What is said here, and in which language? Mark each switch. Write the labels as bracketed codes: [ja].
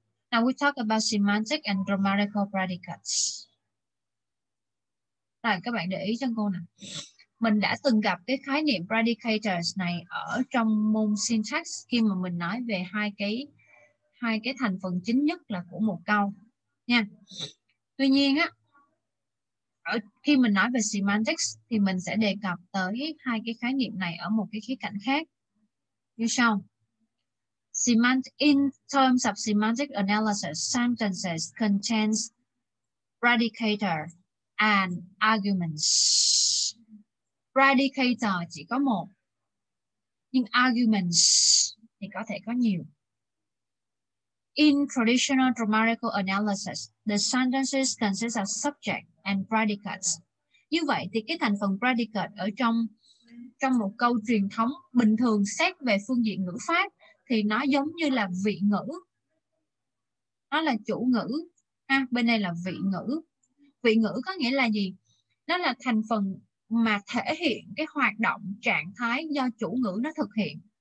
[en] Now, we talk about semantic and grammatical predicates. [vi] Rồi, các bạn để ý cho cô nè. Mình đã từng gặp cái khái niệm predicators này ở trong môn syntax khi mà mình nói về hai cái thành phần chính nhất là của một câu. Nha. Tuy nhiên, á, ở khi mình nói về semantics thì mình sẽ đề cập tới hai cái khái niệm này ở một cái khía cạnh khác. Như sau. [en] In terms of semantic analysis, sentences contains predicator and arguments. [vi] Predicator chỉ có một, nhưng arguments thì có thể có nhiều. [en] In traditional grammatical analysis, the sentences consist of subject and predicates. [vi] Như vậy thì cái thành phần predicate ở trong một câu truyền thống bình thường xét về phương diện ngữ pháp thì nó giống như là vị ngữ. Nó là chủ ngữ. Ha, bên đây là vị ngữ. Vị ngữ có nghĩa là gì? Nó là thành phần mà thể hiện cái hoạt động, trạng thái do chủ ngữ nó thực hiện.